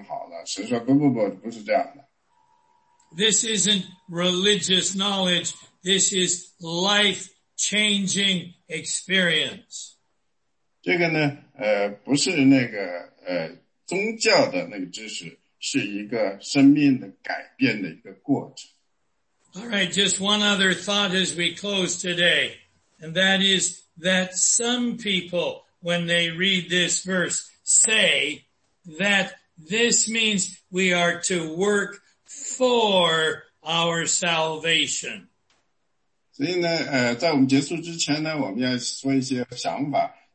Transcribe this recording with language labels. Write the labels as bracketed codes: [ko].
[zh] 所以呢，很大多数宗教说，这里有一个包，你拿去，你把这些事情都做完了呢，就一切都很好了。神说，不，不，不，不是这样的。 [en] This isn't religious knowledge. This is life-changing experience. [zh] 这个呢，不是那个宗教的那个知识。 [en] All right, just one other thought as we close today, and that is that some people, when they read this verse, say that this means we are to work for our salvation. [zh] 所以呢，在我们结束之前呢，我们要说一些想法。